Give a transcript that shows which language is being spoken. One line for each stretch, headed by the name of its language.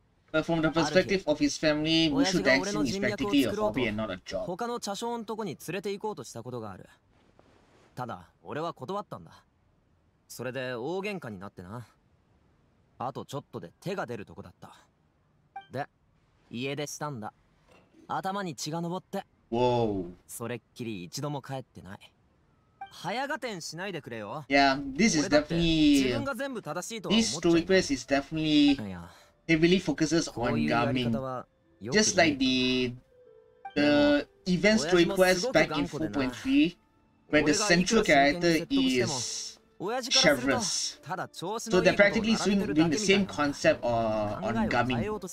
English: But from the perspective of his family, Mushu dancing is practically a hobby and not a job.
Japanese: 他の茶商のとこに連れて行こうとしたことがある。ただ、俺は断ったんだ。それで大喧嘩になってな。あとちょっとで手が出るとこだった。で、家出したんだ。頭に血が昇って。
English: Whoa.
Japanese: それっきり一度も帰ってない。早がてんしないでくれよ。
English: Yeah, this is definitely...
Japanese: 自分が全部正しいとは思っちゃう。
English: This story quest is definitely... Heavily focuses on Garmin. Just like the event story quest back in 4.3, where the central character is Chevrus. So they're practically doing the same concept on Garmin.